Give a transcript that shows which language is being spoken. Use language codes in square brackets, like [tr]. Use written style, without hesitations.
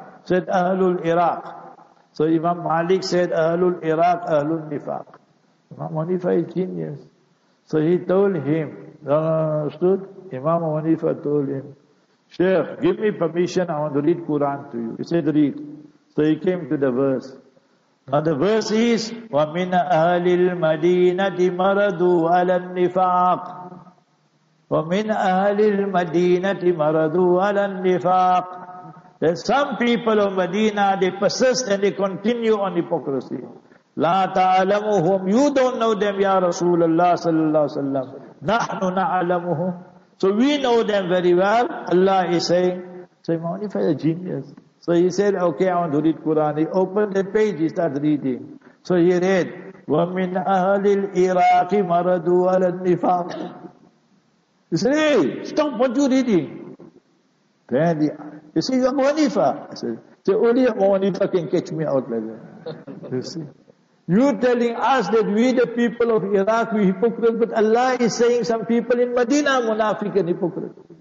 [en] Said, Ahlul Iraq. So Imam Malik said, Ahlul Iraq, Ahlul Nifaq. Imam Hanifa is genius. So he told him, understood? Imam Hanifa told him, Sheikh, give me permission, I want to read Quran to you. He said, read. So he came to the verse. [ar] Now the verse is, وَمِنَ أَهْلِ الْمَدِينَةِ مَرَدُوا عَلَى النِّفَاقِ وَمِنَ أَهْلِ الْمَدِينَةِ مَرَدُوا عَلَى النِّفَاقِ. [en] There's some people of Medina, they persist and they continue on hypocrisy. [ar] لَا تَعْلَمُهُمْ. [en] You don't know them, Ya Rasulullah sallallahu alaihi wasallam. [ar] نَحْنُ نَعْلَمُهُمْ. [en] So we know them very well. Allah is saying, so Imam Hanifa is a genius. So he said, okay, I want to read Quran. He opened the page, he started reading. [ar] So he read, وَمِنْ أَهْلِ الْإِرَاقِ مَرَدُوا عَلَى النِّفَاقِ. [en] He said, hey, stop what you're reading. Then he said, you're Hanifa. He said, only Hanifa can catch me out like that. You see, you're telling us that we the people of Iraq, we hypocrite, but Allah is saying some people in Medina are munafiq and hypocrite.